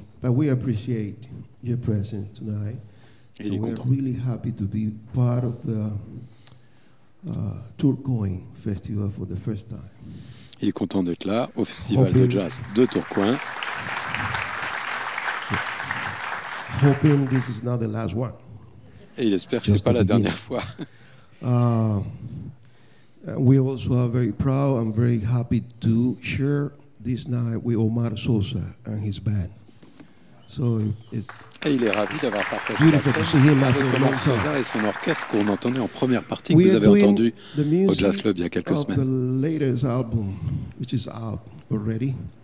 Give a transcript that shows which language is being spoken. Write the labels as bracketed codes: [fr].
[fr] But we appreciate your presence tonight. Et il est content. [en] We're really happy to be part of the Tourcoing Festival for the first time. [fr] Il est content d'être là au Festival de Jazz de Tourcoing. [en] Hoping this is not the last one. [fr] Et il espère que ce n'est pas la dernière fois. [en] We also are very proud and very happy to share this night with Omar Sosa and his band. So it's [fr] et il est ravi d'avoir partagé la scène avec Omar Sosa et son orchestre qu'on entendait en première partie, que vous avez entendu au Jazz Club il y a quelques semaines. [en] The latest album, which is out already.